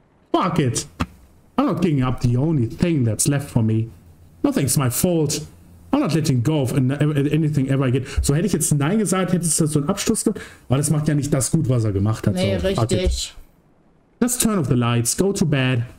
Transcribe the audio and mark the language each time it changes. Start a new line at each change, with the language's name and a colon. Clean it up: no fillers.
English: Fuck it. I'm not giving up the only thing that's left for me. Nothing's my fault. I'm not letting go of anything ever again.
German: So hätte ich jetzt Nein gesagt, hättest du so einen Abschluss gemacht. Aber das macht ja nicht das gut, was er gemacht hat. Nee, so, richtig.
English: Let's turn off the lights, go to bed.